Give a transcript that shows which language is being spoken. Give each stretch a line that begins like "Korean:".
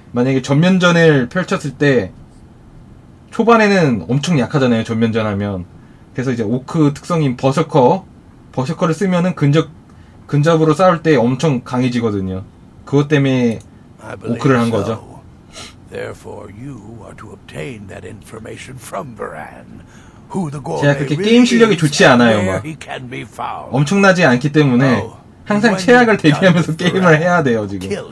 Korean: 만약에 전면전을 펼쳤을 때 초반에는 엄청 약하잖아요. 전면전 하면. 그래서 이제 오크 특성인 버서커를 쓰면은 근접으로 싸울 때 엄청 강해지거든요. 그것 때문에 오크를 한 거죠.
English: Therefore you are to obtain that information from Varan.
Korean: 제가 그렇게 게임 실력이 좋지 않아요, 막. 엄청나지 않기 때문에 항상 최악을 대비하면서 게임을 해야 돼요, 지금.